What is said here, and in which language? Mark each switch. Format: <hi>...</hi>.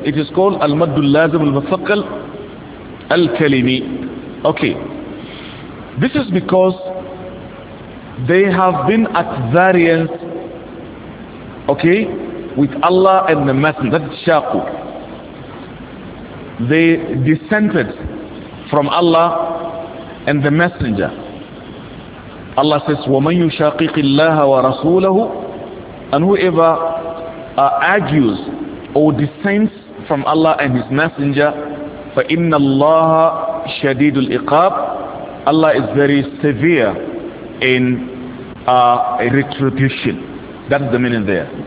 <en>It is called</en> <ar>المد اللازم المثقل الكلمي.</ar> <en>Okay. This is because they have been at variance, okay, with Allah and the Messenger. That is شاقوا. They dissented from Allah and the Messenger. Allah says,</en> <ar>وَمَنْ يُشَاقِقِ اللَّهَ وَرَسُولَهُ.</ar> <en>And whoever argues or dissents from Allah and His Messenger,</en> <ar>فَإِنَّ اللَّهَ شَدِيدُ الْإِقَابِ.</ar> <en>Allah is very severe in retribution. That's the meaning there.</en>